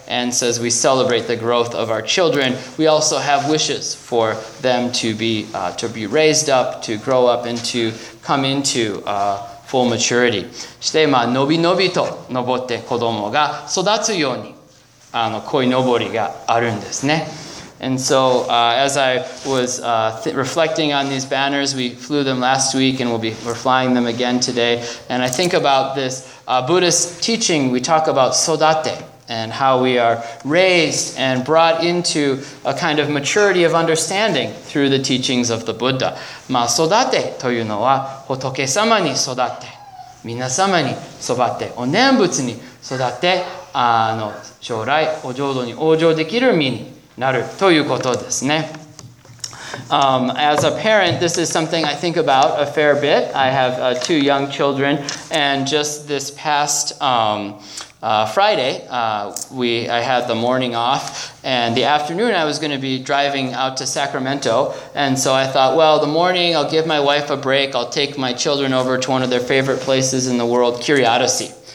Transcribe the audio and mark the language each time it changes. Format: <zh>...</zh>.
<en>And so as we celebrate the growth of our children, we also have wishes for them to be raised up, to grow up and to come into full maturity.</en> <ja>そして、まあ、伸び伸びと登って子供が育つように、鯉のぼりがあるんですね。</ja> <en>And so as I was reflecting on these banners, we flew them last week and we're flying them again today. And I think about this Buddhist teaching, we talk about sodate. And how we are raised and brought into a kind of maturity of understanding through the teachings of the Buddha.</en> <ja>まあ、育てというのは仏様に育て、皆様に育て、お念仏に育て、将来お浄土に往生できる身になるということですね。</ja> <en>As a parent, this is something I think about a fair bit. I have two young children, and just this past Friday, I had the morning off, and the afternoon I was going to be driving out to Sacramento, and so I thought, well, the morning I'll give my wife a break, I'll take my children over to one of their favorite places in the world, Curiosity.</en>